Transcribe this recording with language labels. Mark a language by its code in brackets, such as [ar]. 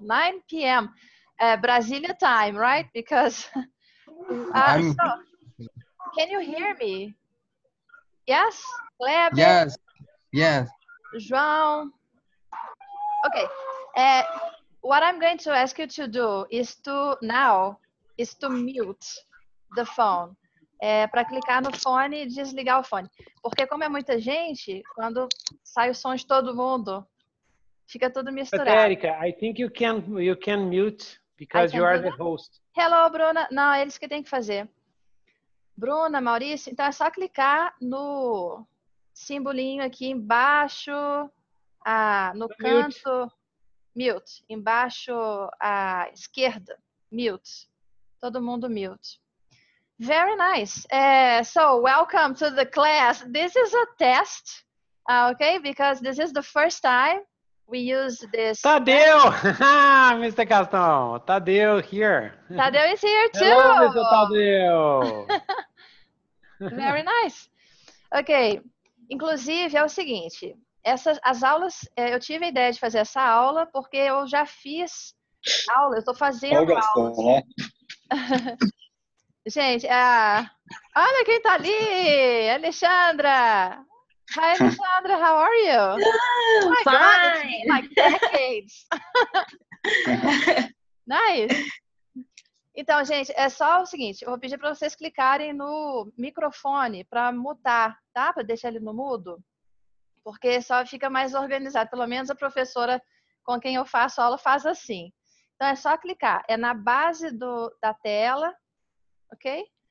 [en] 9 p.m. Brasilia time, right? Because can you hear me? Yes? Kleber? Yes. Yes. João? Okay. What I'm going to ask you to do is to now is to mute the phone. [pt] Para clicar no fone e desligar o fone. Porque como é muita gente, quando sai o som de todo mundo, fica tudo misturado. [en] Erika, I think you can mute because you are the host. Hello, Bruna. [pt] Não, é eles que têm que fazer. Bruna, Maurício, então é só clicar no simbolinho aqui embaixo, no canto. Mute. Embaixo à esquerda. Mute. Todo mundo mute. [en] Very nice. So welcome to the class. This is a test, okay? Because this is the first time we use this. Tadeu! Mr. Gaston, Tadeu here. Tadeu is here too. Hello, Mr. Tadeu. Very nice. Okay. [pt] Inclusive, é o seguinte. As aulas, eu tive a ideia de fazer essa aula porque eu já fiz aula. Eu estou fazendo aula. Gente, olha quem tá ali, Alexandra. [en] Hi, Alexandra, how are you? Oh, my fine. God, it's been like decades. Nice. [pt] Então, gente, é só o seguinte, eu vou pedir para vocês clicarem no microfone para mutar, tá? Para deixar ele no mudo, porque só fica mais organizado. Pelo menos a professora com quem eu faço aula faz assim. Então, é só clicar, é na base da tela. Ok?